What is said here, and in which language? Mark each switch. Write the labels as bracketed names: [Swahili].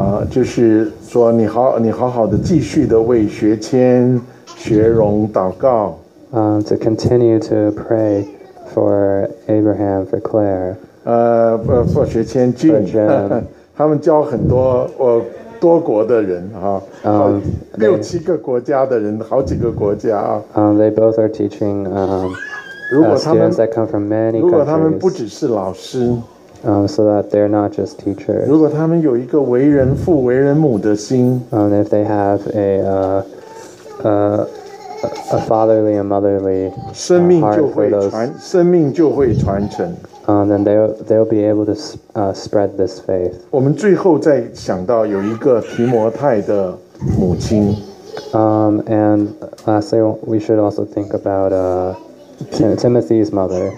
[Chinese] 就是说你好好的继续的为学谦学荣祷告。 [English] To continue to pray for Abraham, for Claire. [Chinese] 不，学谦俊，他们教很多多国的人啊，六七个国家的人，好几个国家啊。 [English] They both are teaching. [Chinese] 如果他们 [English] that come from many countries, [Chinese] 如果他们不只是老师 [English] ，so that they're not just teachers. [Chinese] 如果他们有一个为人父、为人母的心 [English] if they have a fatherly and motherly heart for those, [Chinese] 生命就会传承。 [English] Then they'll be able to spread this faith. [Chinese] 我们最后再想到有一个提摩太的母亲。 [English] And lastly, we should also think about Timothy's mother.